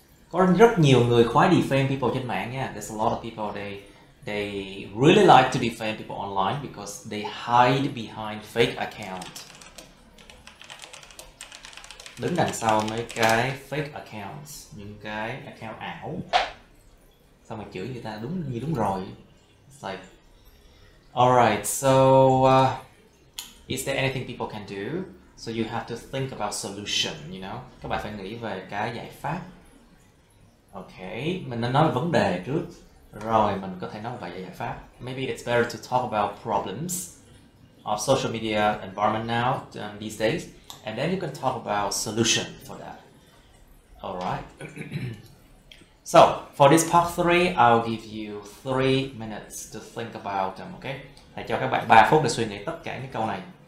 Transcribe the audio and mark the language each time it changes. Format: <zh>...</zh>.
<vi>Có rất nhiều người khoái</vi> <en>defame people</en> <vi>trên mạng nha.</vi> <en>There's a lot of people they really like to defame people online because they hide behind fake account.</en> <vi>Đứng đằng sau mấy cái fake accounts, những cái account ảo. Sao mà chửi người ta đúng như đúng rồi.</vi> <en>It's like, alright, so is there anything people can do? So you have to think about solution, you know?</en> <vi>Các bạn phải nghĩ về cái giải pháp. Okay, mình nên nói về vấn đề trước. Rồi mình có thể nói về giải pháp.</vi> <en>Maybe it's better to talk about problems of social media environment now, these days. And then you can talk about solution for that. All right. So for this part 3, I'll give you 3 minutes to think about them. Okay.</en> <vi>Hãy cho các bạn 3 phút để suy nghĩ tất cả những câu này.</vi>